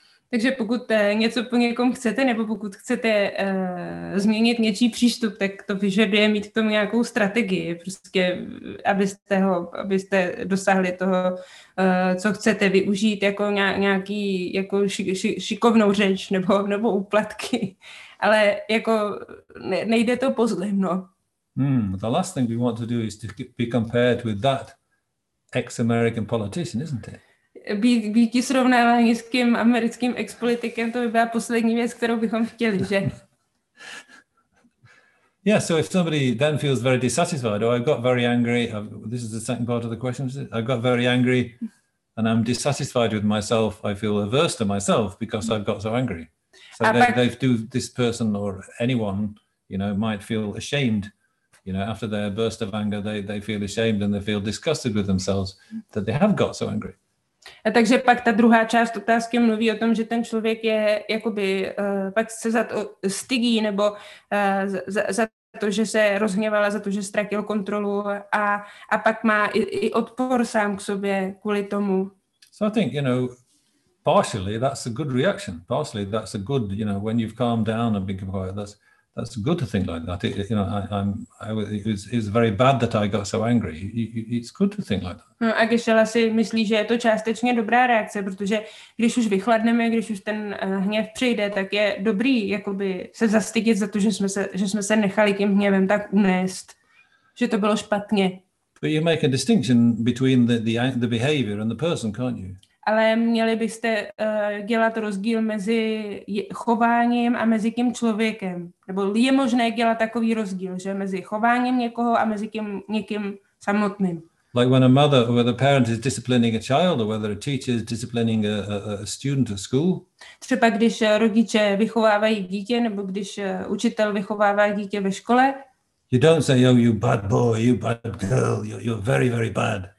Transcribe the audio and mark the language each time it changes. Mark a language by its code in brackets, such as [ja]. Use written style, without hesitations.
[cs] Takže pokud něco po někom chcete, nebo pokud chcete změnit něčí přístup, tak to vyžaduje mít k tomu nějakou strategii, prostě abyste dosáhli toho, co chcete, využít jako nějaký jako šikovnou řeč nebo úplatky. Ale jako nejde to pozlem, no. [en] The last thing we want to do is to be compared with that ex-American politician, isn't it? [cs] Být srovnávání s tím americkým ex-politikem, to by byla poslední věc, kterou bychom chtěli, že? [en] Yeah, so if somebody then feels very dissatisfied, or I got very angry, this is the second part of the question, I got very angry and I'm dissatisfied with myself, I feel averse to myself because I've got so angry. So they do this person or anyone, you know, might feel ashamed. You know, after their burst of anger, they feel ashamed and they feel disgusted with themselves that they have got so angry. [cs] A takže pak ta druhá část otázky mluví o tom, že ten člověk je jakoby pak se za to stydí nebo za to, že se rozhněvala, za to, že ztratil kontrolu a pak má i odpor sám k sobě kvůli tomu. [en] So I think, you know, partially that's a good reaction. Partially that's a good, you know, when you've calmed down and been quiet, that's good to think like that. You know, it was very bad that I got so angry. It's good to think like that. [cs] No, a Kešela si myslí, že je to částečně dobrá reakce, protože když už vychladneme, když už ten hněv přijde, tak je dobrý jakoby se zastydit za to, že jsme se nechali tím hněvem tak unést, že to bylo špatně. [en] But you make a distinction between the behavior and the person, can't you? [cs] Ale měli byste dělat rozdíl mezi chováním a mezi tím člověkem. Nebo je možné dělat takový rozdíl, že mezi chováním někoho a mezi tím někým samotným. [en] Like when a mother, whether a parent is disciplining a child or whether a teacher is disciplining a student at school. [cs] Třeba když rodiče vychovávají dítě nebo když učitel vychovává dítě ve škole. [en] You don't say, oh, you bad boy, you bad girl, you're very, very bad.